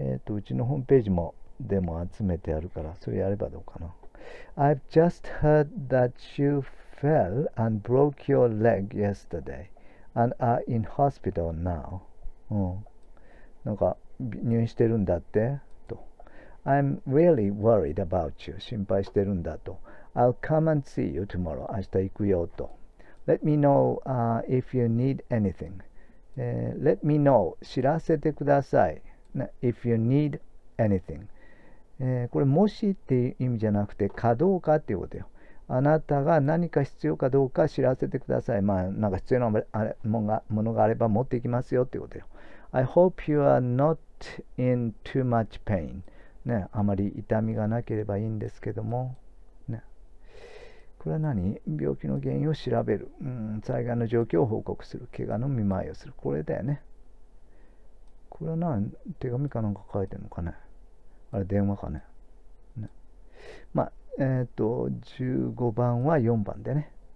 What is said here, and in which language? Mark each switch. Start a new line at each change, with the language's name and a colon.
Japanese: うちのホームページも、でも集めてあるから、それやればどうかな。
English: I've just heard that you fell and broke your leg yesterday and are in hospital now.
Japanese: なんか、入院してるんだって？
English: と。I'm really worried about you.
Japanese: 心配してるんだと。
English: I'll come and see you tomorrow.
Japanese: 明日行くよと。
English: Let me know, if you need anything. Let me know.
Japanese: 知らせてください。
English: ね、if you need anything.
Japanese: これ、もしっていう意味じゃなくて、かどうかっていうことよ。あなたが何か必要かどうか知らせてください。まあ、なんか必要なものがあれば持っていきますよっていうことよ。
English: I hope you are not in too much pain.
Japanese: ね、あまり痛みがなければいいんですけども。これは何？病気の原因を調べる。災害の状況を報告する。怪我の見舞いをする。これだよね。これは何？手紙かなんか書いてるのかね。あれ、電話かね。まあ、15番は4番でね。